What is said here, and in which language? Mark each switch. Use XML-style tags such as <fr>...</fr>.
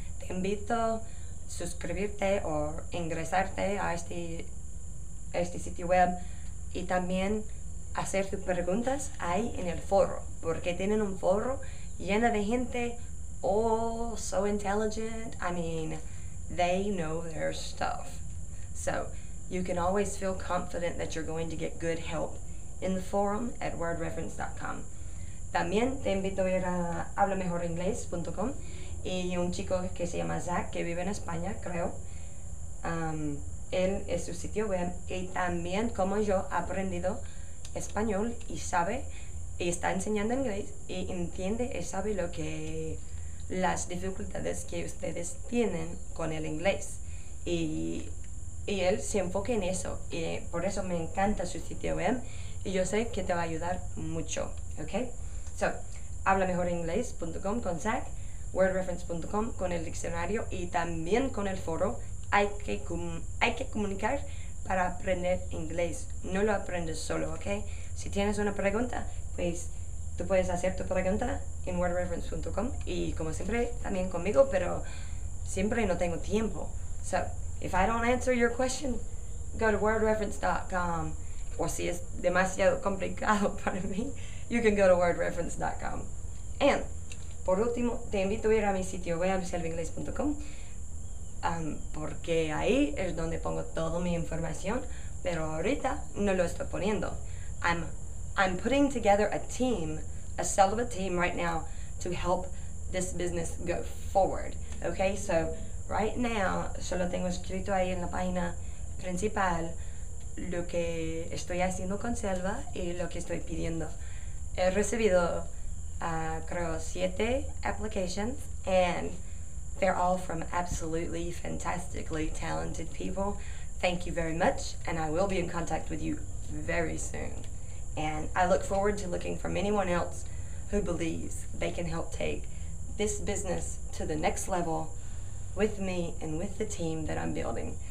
<es>Te invito suscribirte o ingresarte a este sitio web y también hacer tus preguntas ahí en el foro, porque tienen un foro lleno de gente,</es> <en>so intelligent. I mean, they know their stuff. So, you can always feel confident that you're going to get good help in the forum at wordreference.com.</en> <es>También te invito a ir a hablamejoringlés.com. Y un chico que se llama Zach, que vive en España, creo. Él es su sitio web. Y también, como yo, ha aprendido español y sabe, y está enseñando inglés, y entiende y sabe lo que las dificultades que ustedes tienen con el inglés. Y él se enfoca en eso. Y por eso me encanta su sitio web. Y yo sé que te va a ayudar mucho. ¿Ok? So, hablamejoringlés.com con Zach. wordreference.com con el diccionario y también con el foro. Hay que comunicar para aprender inglés. No lo aprendes solo, ¿ok? Si tienes una pregunta, pues Tú puedes hacer tu pregunta en wordreference.com y como siempre también conmigo, pero siempre no tengo tiempo.</es> <en>So, if I don't answer your question, go to wordreference.com.</en> <es>O si es demasiado complicado para mí,</es> <en>you can go to wordreference.com.</en> <es>And, por último, te invito a ir a mi sitio web, selvinglés.com, porque ahí es donde pongo toda mi información, pero ahorita no lo estoy poniendo.</es> <en>I'm putting together a team, a cell of a team right now to help this business go forward. Okay, so right now</en> <es>solo tengo escrito ahí en la página principal lo que estoy haciendo con Selva y lo que estoy pidiendo. He recibido, creo,</es> <en>7 applications and they're all from absolutely fantastically talented people. Thank you very much and I will be in contact with you very soon. And I look forward to looking from anyone else who believes they can help take this business to the next level with me and with the team that I'm building.</en>